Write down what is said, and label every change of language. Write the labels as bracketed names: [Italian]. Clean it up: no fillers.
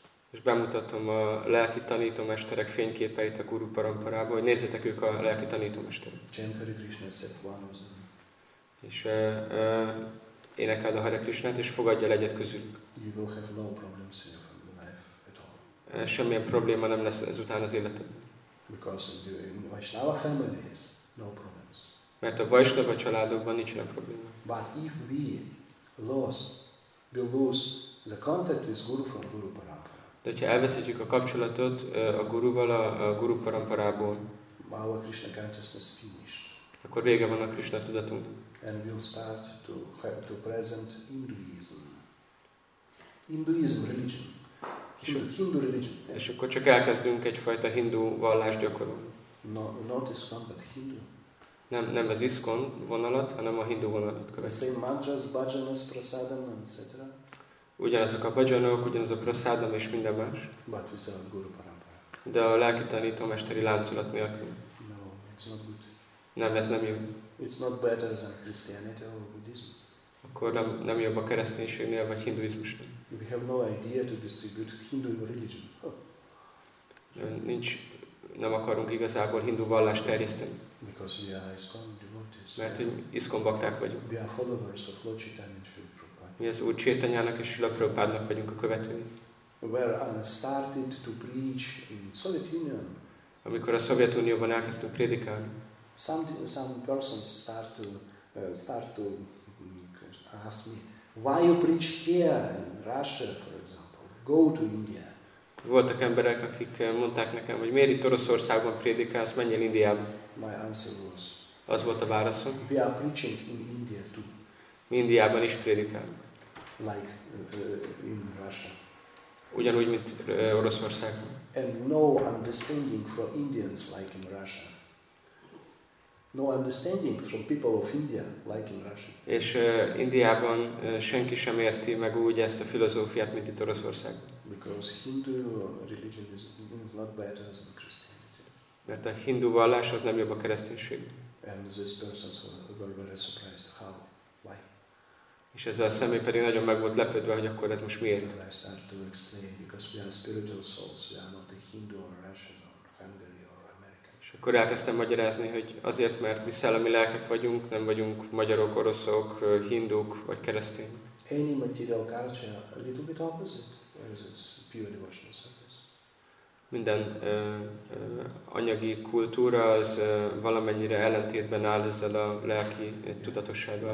[Hungarian] És bemutatom a lelki tanítómesterek fényképeit a Guru Paramparába, hogy nézzétek, ők a lelki tanítómesterek. [English] Chaitanya Krishna said one of them. [Hungarian] És énekeld a Hare Krishnát, és fogadja el egyet közülük. [English] You will have no problems in your life at all. [Hungarian] Semmilyen probléma nem lesz ezután az életedben. [English] Because in Vaishnava families, no problem. [Hungarian] Mert a Vaishnava családokban nincsenek probléma. [English] But if we lose the contact with Guru from Guru Parampara. [Hungarian] De ha elveszítjük a kapcsolatot a guruval a Guru Paramparából. [English] Our Krishna consciousness is finished. [Hungarian] Akkor vége van a Krishna tudatunk. [English] And we'll start to have to present Hinduism. Hinduism religion. Hindu religion. [Hungarian] És akkor csak elkezdünk egyfajta hindu vallást gyakorolni. [English] No, not Islam, but Hindu. [Hungarian] Nem az ISKCON vonalat, hanem a hindu vonalat követ. [English] The same mantras, bhajanas, prasadam, etc. [Hungarian] Ugyanazok a bhajanok, ugyanazok a prasadam és minden más. [English] But without Guru Parampara. [Hungarian] De a lelki tanítómesteri láncolat nélkül. [English] No, it's not good. [Hungarian] Nem, ez nem jó. [English] It's not better than Christianity or Buddhism. [Hungarian] Akkor nem jobb a kereszténységnél, vagy hinduizmusnál. [English] We have no idea to distribute Hindu religion. [Hungarian] Nincs, nem akarunk igazából hindu vallást terjeszteni. [English] Because we are ISKCON devotees. [Hungarian] Mert hogy ISKCON bakták vagyunk. [English] We are followers of Lord Chaitanya and Srila Prabhupada. [Hungarian] Mi az Úr Chaitanyának és Srila Prabhupádnak vagyunk a követői. [English] Where I started to preach in Soviet Union. [Hungarian] Amikor a Szovjetunióban elkezdtünk prédikálni. [English] Some persons start to ask me, why you preach here in Russia, for example? Go to India. [Hungarian] Voltak emberek, akik mondták nekem, hogy miért itt Oroszországban prédikálsz, menjél Indiába. [English] My answer was. [Hungarian] Az volt a válaszom. [English] We are preaching in India too. [Hungarian] Mi Indiában is prédikálunk. [English] Like in Russia. [Hungarian] Ugyanúgy, mint Oroszországban. [English] And no understanding for Indians like in Russia. No understanding from people of India like in Russia. [Hungarian] És Indiában senki sem érti meg úgy ezt a filozófiát, mint itt Oroszországban. [English] Because Hindu religion is not better than Christian. [Hungarian] Mert a hindu vallás az nem jobb a kereszténység. [English] And this person was very surprised. How? Why? [Hungarian] És ez a személy pedig nagyon meg volt lepődve, hogy akkor ez most miért? [English] And I started to explain, because we are spiritual souls, we are not a Hindu or Russian or Hungary or American. [Hungarian] És akkor elkezdtem magyarázni, hogy azért, mert mi szellemi lelkek vagyunk, nem vagyunk magyarok, oroszok, hinduk vagy keresztények. [English] any material culture a little bit opposite as its pure devotional service. [Hungarian] Minden anyagi kultúra az valamennyire ellentétben áll ezzel a lelki tudatossággal.